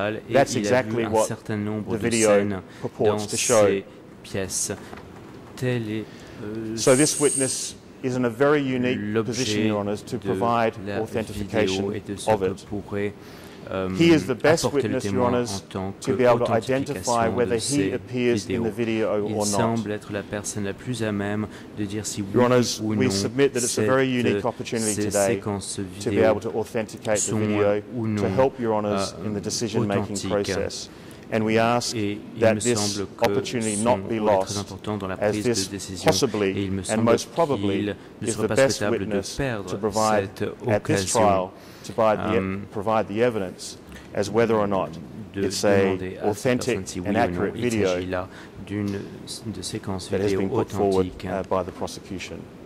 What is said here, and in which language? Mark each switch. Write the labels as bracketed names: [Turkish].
[English] That's exactly what the video purports to show. So this witness is in a very unique position, Your Honours, to provide authentication of it. He is the best witness, Your Honours, to be able to identify whether he appears in the video or not. [French] Il semble être la personne la plus à même de dire si oui ou non. [English] Your Honours, we submit that it's a very unique opportunity today to be able to authenticate the video to help Your Honours in the decision-making process. And we ask that this opportunity not be lost, as this possibly and most probably is the best witness to provide at this trial to provide the evidence as whether or not it's an authentic and accurate video that has been put forward by the prosecution.